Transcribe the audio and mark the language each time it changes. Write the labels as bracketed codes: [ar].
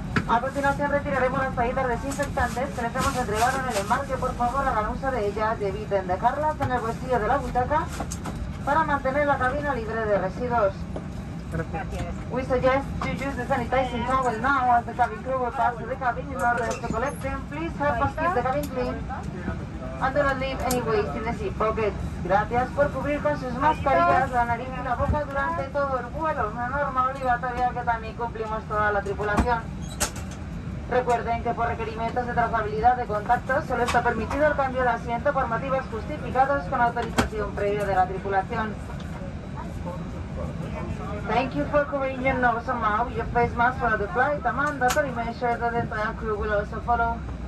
[es] A continuación retiraremos las paletas desinfectantes que les hemos entregado en el embarque. Por favor, hagan uso de ellas y eviten dejarlas en el bolsillo de la butaca para mantener la cabina libre de residuos. Gracias. [en] We suggest you use the sanitizing towel now as the cabin crew will pass to the cabin in order to collect them. Please help us keep the cabin clean and do not leave any waste in the seat pockets. [es] Gracias por cubrir con sus mascarillas la nariz y la boca durante todo el vuelo. Una norma obligatoria que también cumplimos toda la tripulación. Recuerden que por requerimientos de trazabilidad de contacto solo está permitido el cambio de asiento por motivos justificados con autorización previa de la tripulación. [en] Thank you for covering your nose and mouth, your face mask for the flight, a mandatory measure that the entire crew will also follow.